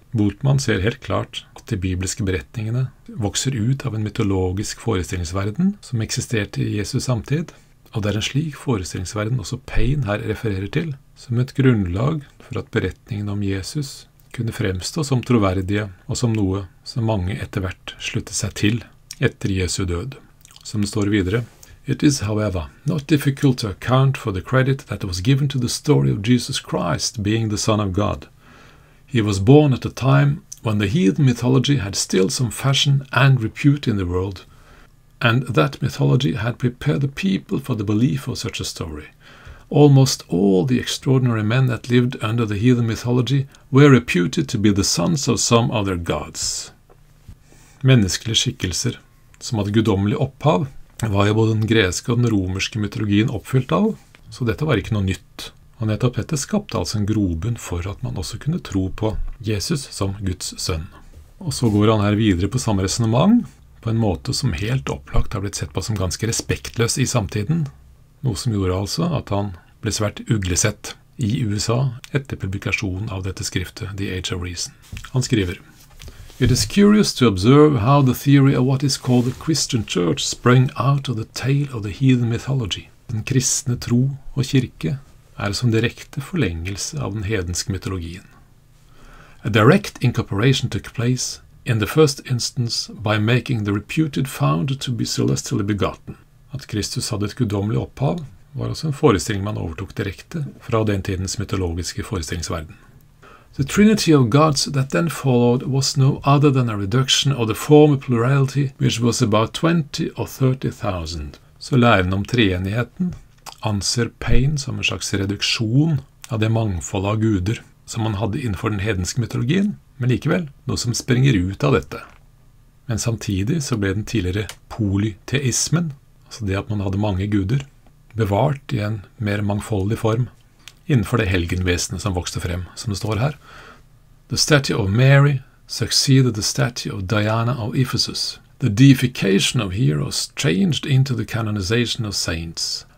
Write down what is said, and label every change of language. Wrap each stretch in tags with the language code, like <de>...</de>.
<no>Bultmann ser helt klart at de bibliske berettningene vokser ut av en mytologisk forestillingsverden som eksisterte i Jesus samtid, og det en slik forestillingsverden også Paine her refererer til, som et grunnlag for at beretningen om Jesus kunne fremstå som troverdige og som noe som mange etter hvert sluttet seg til etter Jesu død. Som det står videre,</no> <en>It is, however, not difficult to account for the credit that was given to the story of Jesus Christ being the Son of God. He was born at a time when the heathen mythology had still some fashion and repute in the world, and that mythology had prepared the people for the belief of such a story. Almost all the extraordinary men that lived under the heathen mythology were reputed to be the sons of some other gods.</en> <no>Menneskelige skikkelser som hadde guddommelig opphav, var jo både den greske og den romerske mytologien oppfylt av, så dette var ikke noe nytt. Og nettopp dette skapte altså en grobunn for at man også kunne tro på Jesus som Guds sønn. Og så går han her videre på samme resonemang, på en måte som helt opplagt har blitt sett på som ganske respektløs i samtiden, noe som gjorde altså at han ble svært uglesett i USA etter publikasjonen av dette skriftet, The Age of Reason. Han skriver,</no> <en>It is curious to observe how the theory of what is called the Christian Church sprang out of the tale of the heathen mythology.</en> <no>Den kristne tro og kirke som direkte forlengelse av den hedenske mytologien.</no> <en>A direct incorporation took place, in the first instance, by making the reputed founder to be celestially begotten.</en> <no>At Kristus hadde et guddommelig opphav var altså en forestilling man overtok direkte fra den tidens mytologiske forestillingsverden.</no> <en>The trinity of gods that then followed was no other than a reduction of the former plurality, which was about 20,000 or 30,000.</en> <no>Så læren om treenigheten anser Paine som en slags reduksjon av det mangfoldet av guder som man hadde innenfor den hedenske mytologien, men likevel noe som springer ut av dette. Men samtidig så ble den tidligere polyteismen, altså det at man hadde mange guder, bevart i en mer mangfoldig form innenfor det helgenvesenet som vokste frem, som det står her.</no> <en>The statue of Mary succeeded the statue of Diana of Ephesus. The deification of heroes changed into the canonization of saints.</en>